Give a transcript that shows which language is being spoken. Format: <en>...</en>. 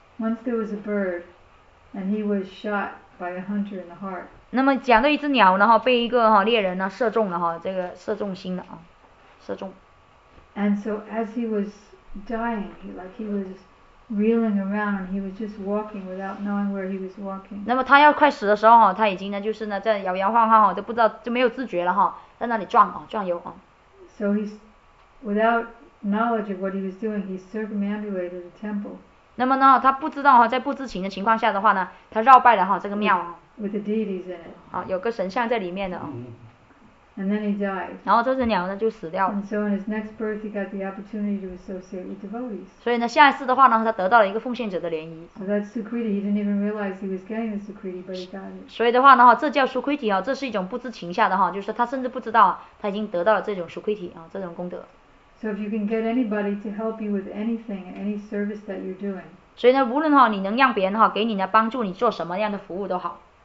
<en>Once there was a bird, and he was shot by a hunter in the heart.</en> <zh>那么讲到一只鸟呢哈，被一个哈猎人呢射中了哈，这个射中心了啊，射中。</zh> <en>And so as he was dying, like he was reeling around, he was just walking without knowing where he was walking.</en> <zh>那么他要快死的时候他已经呢就是呢在摇摇晃晃都不知道就没有自觉了在那里撞撞悠。</zh> <en>So he's without knowledge of what he was doing, he circumambulated the temple.</en> <zh>那么呢他不知道在不知情的情况下的话呢他绕拜了这个庙。</zh> <en>With the deities in it.</en> <zh>有个神像在里面的。</zh> <en>And then he died.</en> <zh>然后这只鸟呢就死掉了。</zh> <en>And so in his next birth, he got the opportunity to associate with devotees.</en> <zh>所以呢，下一次的话呢，他得到了一个奉献者的联谊。</zh> <en>So that's Sukriti. He didn't even realize he was getting the Sukriti, but he got it.</en> <zh>所以的话呢，这叫 Sukriti 啊，这是一种不知情下的哈，就是他甚至不知道他已经得到了这种 Sukriti 啊，这种功德。</zh> <en>So if you can get anybody to help you with anything, any service that you're doing.</en> <zh>所以呢，无论你能让别人给你呢帮助你做什么样的服务都好。</zh>